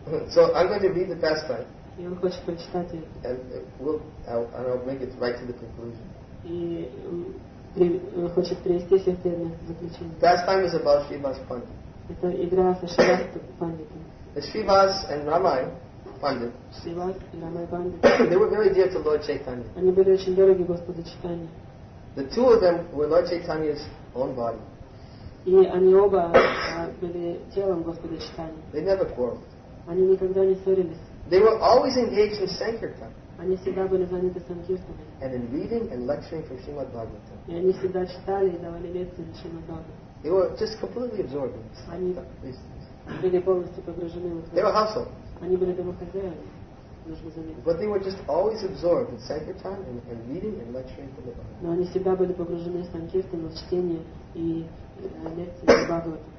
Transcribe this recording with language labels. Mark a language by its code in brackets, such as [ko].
[en] So I'm going to read the pastime. [ru] И он хочет прочитать ее. [en] And we'll, I'll bring it right to the conclusion. [ru] И хочет привести всех первое заключение. [en] Pastime is about Shrivas Pandit. [ru] Это игра со Шривас Пандитом. [en] Shrivas and Ramai Pandit. Shrivas and Ramai Pandit. They were very dear to Lord Chaitanya. [ru] Они были очень дороги Господу Чайтанье. [en] The two of them were Lord Chaitanya's own body. [ru] И они оба были телом Господа Чайтанье. [en] They never quarreled. [ru] Они никогда не ссорились. [en] They were always engaged in sankirtan. [ru] Они всегда были заняты санкиртаной. [en] And in reading and lecturing for Shrimad Bhagavatam. [ru] И они всегда читали и давали лекции Шримад Бхагаватам. [en] They were just completely absorbed in this. [ru] Они были полностью погружены в это. [en] They were household. [ru] Они были домохозяевами, нужно заметить. [en] But they were just always absorbed in sankirtan and reading and lecturing for the Bhagavatam. [ru] Но они всегда были погружены в санкиртан, в чтение и лекции по Бхагавату.